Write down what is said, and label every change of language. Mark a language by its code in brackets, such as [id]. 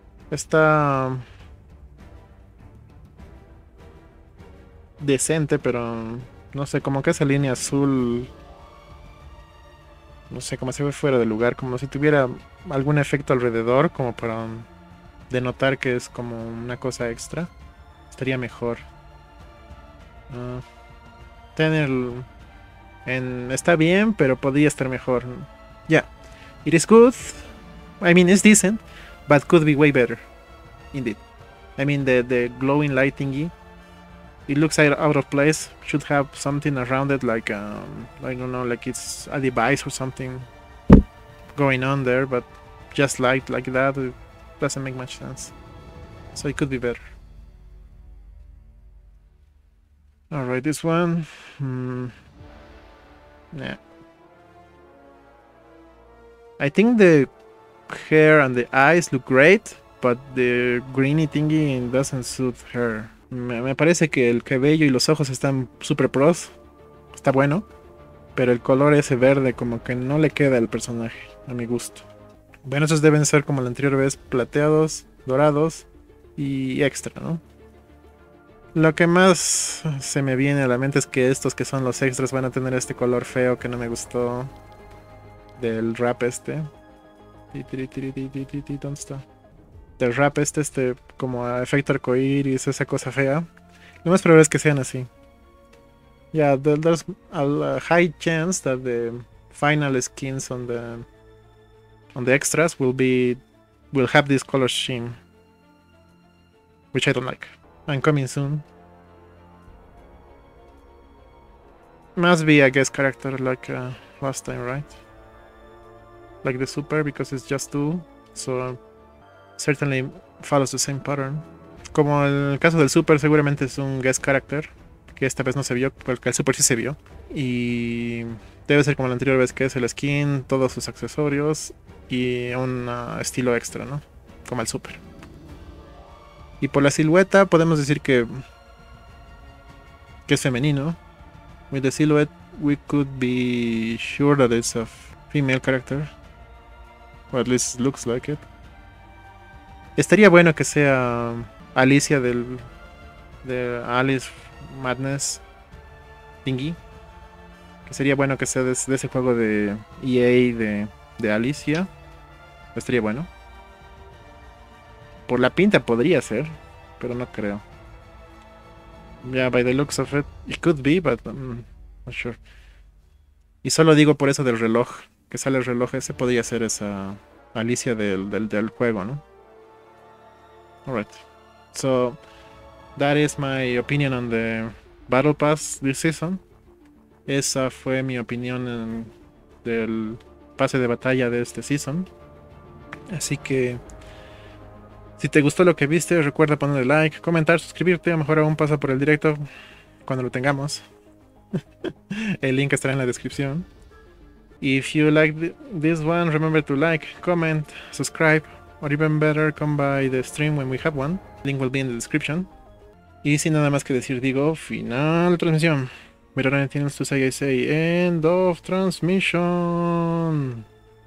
[es] Está decente, pero no sé, como que esa línea azul, no sé, como se ve fuera de lugar, como si tuviera algún efecto alrededor, como para denotar que es como una cosa extra. Estaría mejor tener. Está bien, pero podría estar mejor. [en] Yeah, it is good. I mean, it's decent, but could be way better. Indeed. I mean, the glowing light thingy. It looks out of place. Should have something around it, like, I don't know, like it's a device or something going on there, but just light like that, it doesn't make much sense. So it could be better. Alright, this one. I think the hair and the eyes look great, but the greeny thingy doesn't suit her. [es] Me parece que el cabello y los ojos están super pros. Está bueno. Pero el color ese verde como que no le queda al personaje, a mi gusto. Bueno, esos deben ser como la anterior vez, plateados, dorados y extra, ¿no? Lo que más se me viene a la mente es que estos que son los extras van a tener este color feo que no me gustó del rap este. ¿Dónde está? Del rap este como a efecto arcoíris, esa cosa fea. Lo más probable es que sean así. [en] Yeah, there's a high chance that the final skins on the extras will have this color scheme, which I don't like. And coming soon. Must be a guest character like last time, right? Like the super, because it's just two, so certainly follows the same pattern. [es] Como el caso del super, seguramente es un guest character, que esta vez no se vio, porque el super sí se vio. Y debe ser como la anterior vez, que es el skin, todos sus accesorios y un estilo extra, ¿no? Como el super. Y por la silueta podemos decir que es femenino. [en] With the silhouette we could be sure that it's a female character. Or at least looks like it. [es] Estaría bueno que sea Alicia de Alice Madness thingy. Que sería bueno que sea de ese juego de EA de Alicia. Estaría bueno. Por la pinta podría ser, pero no creo. [en] Yeah, by the looks of it, it could be, but I'm not sure. [es] Y solo digo por eso del reloj, que sale el reloj ese, podría ser esa Alicia del juego, ¿no? [en] Alright. So, that is my opinion on the Battle Pass this season. [es] Esa fue mi opinión del pase de batalla de este season. Así que, si te gustó lo que viste, recuerda ponerle like, comentar, suscribirte, a lo mejor aún pasa por el directo cuando lo tengamos. El link estará en la descripción. [en] If you like this one, remember to like, comment, subscribe, or even better, come by the stream when we have one. Link will be in the description. [es] Y sin nada más que decir, digo, final transmisión. Mirarán en tienes tu CIC. [en] End of transmission.